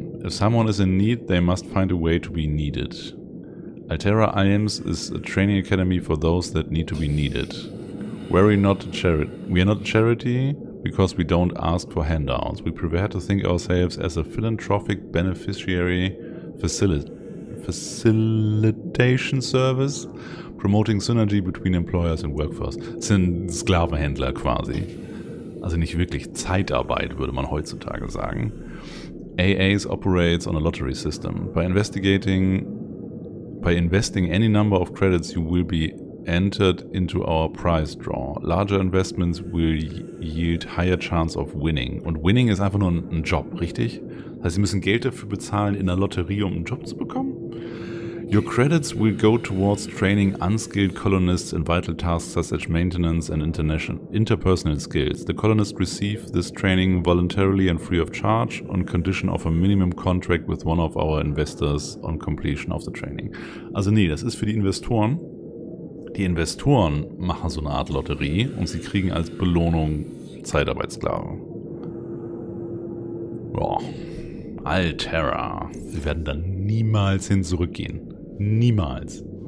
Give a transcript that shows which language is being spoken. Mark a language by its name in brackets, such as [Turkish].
[English] If someone is in need, they must find a way to be needed. Altera IAMS is a training academy for those that need to be needed. We are not a charity because we don't ask for handouts. We prefer to think ourselves as a philanthropic beneficiary facilitation service, promoting synergy between employers and workforce. [German] Das sind Sklavenhändler quasi. Also nicht wirklich Zeitarbeit, würde man heutzutage sagen. [English] AAs operates on a lottery system. By investing any number of credits, you will be entered into our prize draw. Larger investments will yield higher chance of winning. [German] Und winning ist einfach nur ein Job, richtig? Das heißt, sie müssen Geld dafür bezahlen, in der Lotterie, um einen Job zu bekommen? [English] Your credits will go towards training unskilled colonists in vital tasks such as maintenance and interpersonal skills. The colonists receive this training voluntarily and free of charge on condition of a minimum contract with one of our investors on completion of the training. [German] Also nee, das ist für die Investoren. Die Investoren machen so eine Art Lotterie und sie kriegen als Belohnung Zeitarbeitssklaven. Boah. Altera. Sie werden dann niemals hin zurückgehen. Niemals.